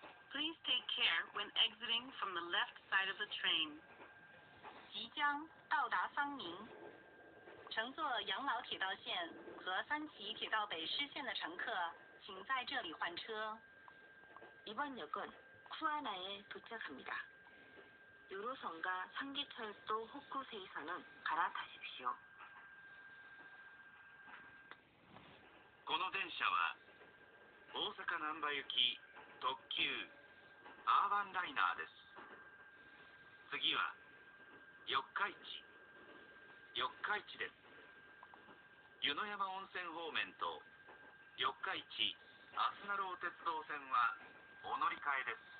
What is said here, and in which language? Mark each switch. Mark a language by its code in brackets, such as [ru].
[en] Please take care when exiting from the left side of the train. [zh] 即将到达桑宁。乘坐养老铁道线和三崎铁道北施线的乘客，请在这里换车。 [ko] 이번역은쿠아나에도착합니다유로선과상기철도호쿠세이선은갈아타십시오 [ja] この電車は大阪難波行き特急アーバンライナーです。次は四日市です。湯の山温泉方面と四日市アスナロー鉄道線はお乗り換えです。